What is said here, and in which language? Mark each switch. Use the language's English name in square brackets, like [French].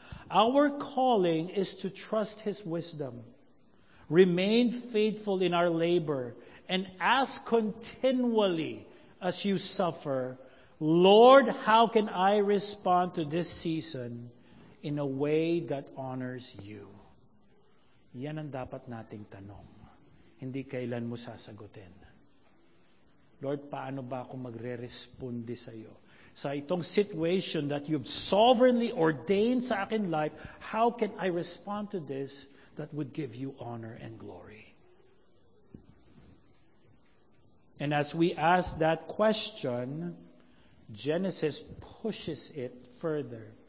[English] Our calling is to trust His wisdom, remain faithful in our labor, and ask continually as you suffer, Lord, how can I respond to this season in a way that honors you? [Filipino] Yan ang dapat nating tanong. Hindi kailan mo sasagutin. Lord, paano ba ako magre-responde sa iyo? Sa itong [English] situation that you've sovereignly ordained [Filipino] sa akin [English] life, how can I respond to this that would give you honor and glory? And as we ask that question, Genesis pushes it further.